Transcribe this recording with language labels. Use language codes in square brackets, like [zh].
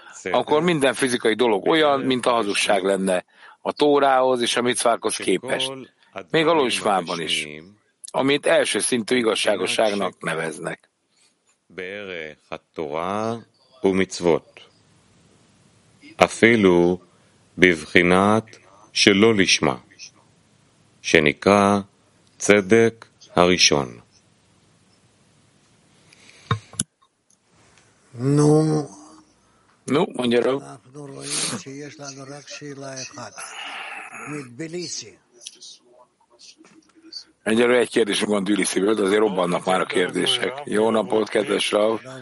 [hu] Akkor minden fizikai dolog olyan, mint a hazugság lenne a Tórához és a micvákhoz képest, még a lolismában is, amit első szintű igazságosságnak neveznek. [he] בערך התורה ומצוות. אפילו בבחינת שלא לשמה, שנקרא צדק הראשון. נו. נו, מוני רב. אנחנו רואים שיש לנו רק שאלה אחת. מטביליסי. [hu] Egyelőre egy kérdésünk van Tbiliszből, de azért robbannak már a kérdések. Jó napot, kedves Rav!